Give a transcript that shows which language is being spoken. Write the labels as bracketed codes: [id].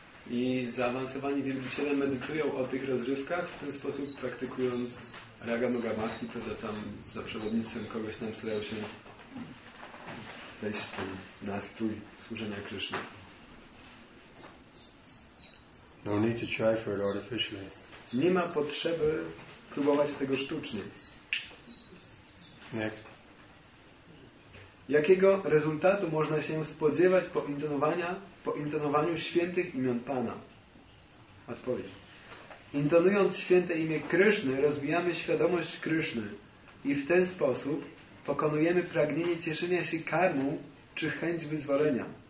[pl] I zaawansowani wielbiciele medytują o tych rozrywkach w ten sposób, praktykując Raga Noga Bhakti, prawda, tam za przewodnictwem kogoś tam starają się wejść w ten nastrój służenia Kryszny. [en] No need to try for it artificially. [pl] Nie ma potrzeby próbować tego sztucznie. Nie. Jakiego rezultatu można się spodziewać po intonowaniu świętych imion Pana? Odpowiedź. Intonując święte imię Kryszny, rozwijamy świadomość Kryszny i w ten sposób pokonujemy pragnienie cieszenia się karmą czy chęć wyzwolenia.